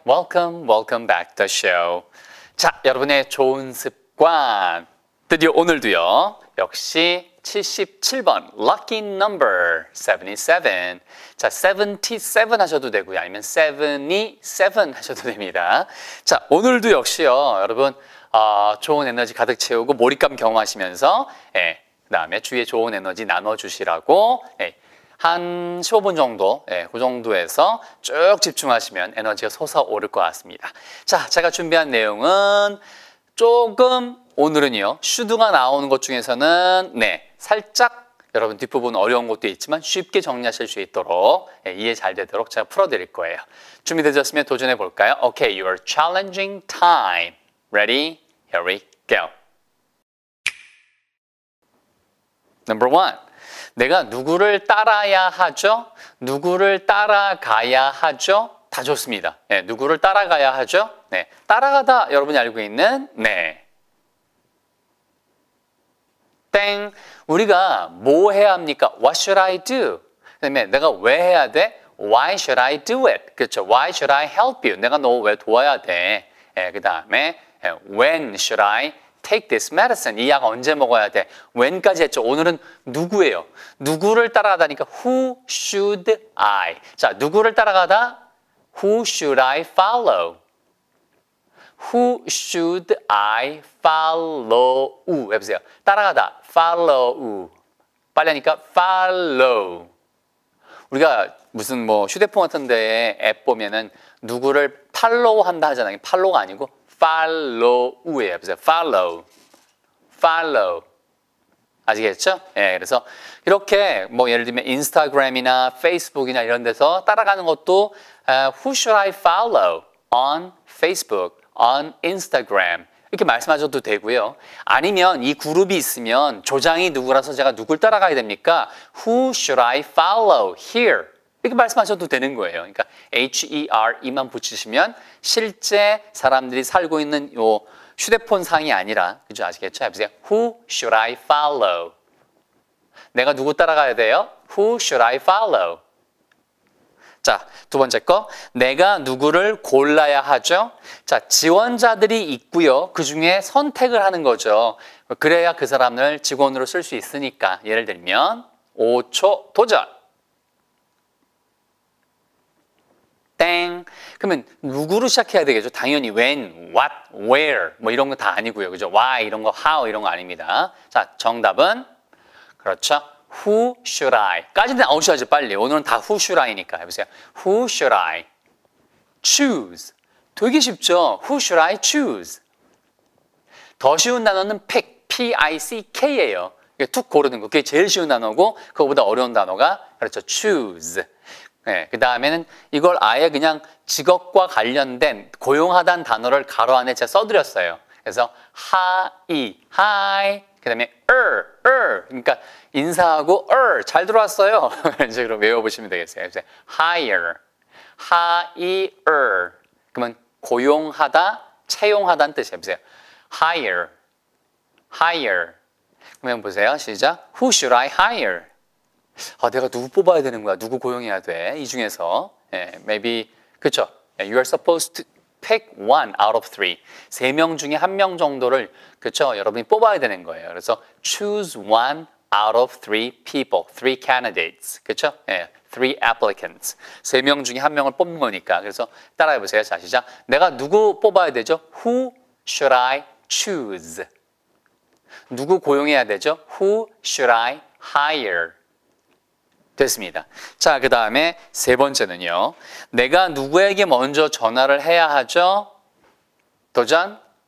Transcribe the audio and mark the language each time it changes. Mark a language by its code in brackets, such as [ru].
[en] Welcome, welcome back to the show. [ko] 자, 여러분의 좋은 습관. 드디어 오늘도요. 역시 77번 [en] lucky number 77. [ko] 자, 77 하셔도 되고요. 아니면 77 하셔도 됩니다. 자, 오늘도 역시요. 여러분 좋은 에너지 가득 채우고 몰입감 경험하시면서 예, 그다음에 주위에 좋은 에너지 나눠 주시라고 예. 한 15분 정도, 예, 그 정도에서 쭉 집중하시면 에너지가 솟아오를 것 같습니다. 자, 제가 준비한 내용은 조금 오늘은요, 슈드가 나오는 것 중에서는, 네, 살짝 여러분 뒷부분 어려운 것도 있지만 쉽게 정리하실 수 있도록, 예, 이해 잘 되도록 제가 풀어드릴 거예요. 준비되셨으면 도전해 볼까요? [en] Okay, your challenging time. Ready? Here we go. Number one. [ko] 내가 누구를 따라야 하죠? 누구를 따라가야 하죠? 다 좋습니다. 네, 누구를 따라가야 하죠? 네, 따라가다 여러분이 알고 있는 네. 땡. 우리가 뭐 해야 합니까? [en] What should I do? [ko] 그다음에 내가 왜 해야 돼? [en] Why should I do it? [ko] 그렇죠. [en] Why should I help you? [ko] 내가 너 왜 도와야 돼? 네, 그다음에 [en] When should I Take this medicine. [ko] 이 약 언제 먹어야 돼? When까지 했죠? 오늘은 누구예요? 누구를 따라가다니까 [en] Who should I? [ko] 자, 누구를 따라가다? [en] Who should I follow? Who should I follow? [ko] 해보세요. 따라가다. [en] Follow. [ko] 빨리 하니까 follow. 우리가 무슨 뭐 휴대폰 같은 데에 앱 보면은 누구를 팔로우한다 하잖아요. 팔로우가 아니고 follow예요. 보세요. follow. follow. 아시겠죠? 예, 그래서 이렇게 뭐 예를 들면 인스타그램이나 페이스북이나 이런 데서 따라가는 것도 [en] who should I follow on Facebook, on Instagram [ko] 이렇게 말씀하셔도 되고요. 아니면 이 그룹이 있으면 조장이 누구라서 제가 누굴 따라가야 됩니까? [en] who should I follow here [ko] 이렇게 말씀하셔도 되는 거예요. 그러니까 H-E-R-E만 붙이시면 실제 사람들이 살고 있는 요 휴대폰 상이 아니라 그죠 아시겠죠? 해보세요. [en] Who should I follow? [ko] 내가 누구 따라가야 돼요? [en] Who should I follow? [ko] 자, 두 번째 거. 내가 누구를 골라야 하죠? 자, 지원자들이 있고요. 그 중에 선택을 하는 거죠. 그래야 그 사람을 직원으로 쓸 수 있으니까 예를 들면 5초 도전! 땡. 그러면 누구로 시작해야 되겠죠? 당연히 when, what, where 뭐 이런 거 다 아니고요. 그죠? why 이런 거, how 이런 거 아닙니다. 자, 정답은 그렇죠. [en] who should I [ko] 까지는 나오셔야죠. 빨리. 오늘은 다 who should I니까 해보세요. [en] who should I choose [ko] 되게 쉽죠? [en] who should I choose [ko] 더 쉬운 단어는 pick, P-I-C-K예요. 이게 툭 고르는 거. 그게 제일 쉬운 단어고 그거보다 어려운 단어가 그렇죠. choose 네, 그 다음에는 이걸 아예 그냥 직업과 관련된 고용하단 단어를 가로 안에 제가 써드렸어요. 그래서 하이, 하이, 그 다음에 그러니까 인사하고 잘 들어왔어요. 이제 그럼 외워보시면 되겠어요. 이제 hire, hire, 그러면 고용하다, 채용하다는 뜻이에요. 보세요. hire, hire. 그러면 보세요. 시작. [en] Who should I hire? [ko] 아, 내가 누구 뽑아야 되는 거야? 누구 고용해야 돼? 이 중에서 예, maybe 그쵸? [en] You are supposed to pick one out of three. [ko] 세 명 중에 한 명 정도를 그쵸? 여러분이 뽑아야 되는 거예요. 그래서 [en] choose one out of three people, three candidates, [ko] 그쵸? [en] 예, three applicants. [ko] 세 명 중에 한 명을 뽑는 거니까. 그래서 따라해 보세요. 자, 시작. 내가 누구 뽑아야 되죠? [en] Who should I choose? [ko] 누구 고용해야 되죠? [en] Who should I hire? [ko] 됐습니다. 자, 그 다음에 세 번째는요. 내가 누구에게 먼저 전화를 해야 하죠? 도전?